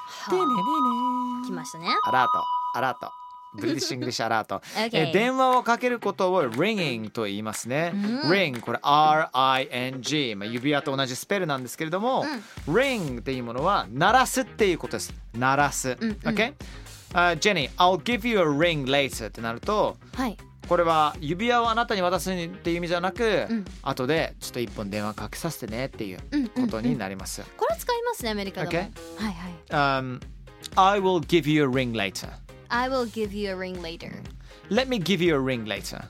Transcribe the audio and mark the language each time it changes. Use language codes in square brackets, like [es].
[ja] でねねね、来ましたね。アラート、アラート、ブリティッシュイングリッシュアラート。 [en] Okay. [ja] 電話をかけることを ringing と言いますね。うん、 ring、これ R-I-N-G、まあ、指輪と同じスペルなんですけれども、うん、 ring っていうものは鳴らすっていうことです。鳴らす。うんうん、 [en] okay? Jenny, I'll give you a ring later ってなると、 [ja] はい、これは指輪をあなたに渡すっていう意味じゃなく、うん、後でちょっと一本電話かけさせてねっていうことになります。うんうんうん、これ使いますね、アメリカでも。 [en] Okay? [ja] はいはい。 [en] I will give you a ring later. I will give you a ring later. Let me give you a ring later.